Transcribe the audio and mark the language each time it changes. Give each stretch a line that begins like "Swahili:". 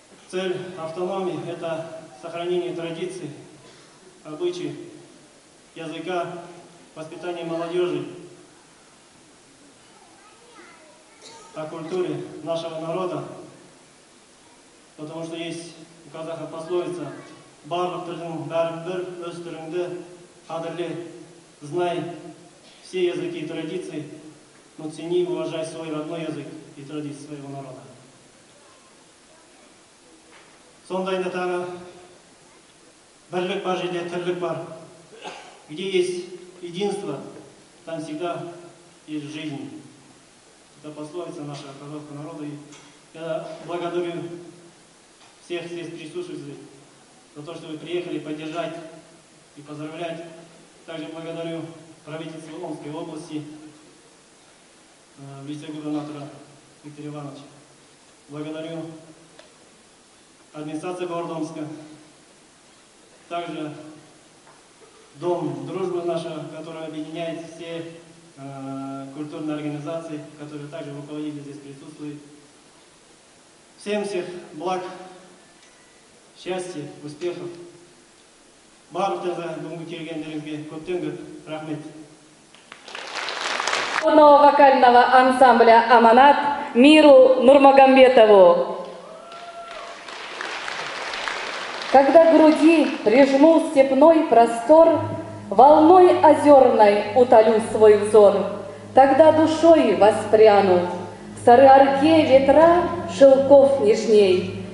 Russian: Цель автономии – это сохранение традиций, обычаев, языка, воспитание молодежи, о культуре нашего народа, потому что есть у казаха пословица
Kazakh: «Барлық тілін бәрін-бір, өз тіліңді қадірле,
Russian: знай все языки и традиции, но цени и уважай свой родной язык и традиции своего народа».
Kazakh: Сондайында тағы бірлік бар жерде тірлік бар.
Russian: Где есть единство, там всегда есть жизнь. Это пословица нашего казахского народа. И я благодарю всех здесь присутствующих за то, что вы приехали поддержать и поздравлять. Также благодарю правительство Омской области в лице губернатора Виктора Ивановича. Благодарю администрация города Омска, также дом дружбы нашего, который объединяет все культурные организации, которые также руководители здесь присутствуют. Всем всех благ, счастья, успехов.
Kazakh: Барлықтарыңызға бүгінгі келгендеріңізге көптен көп рахмет.
Russian: главного вокального ансамбля «Аманат» Миру Нурмагомбетову. Когда груди прижмул степной простор, волной озерной утолю свой взор, тогда душой воспрянут в Сарыарке ветра шелков нежней.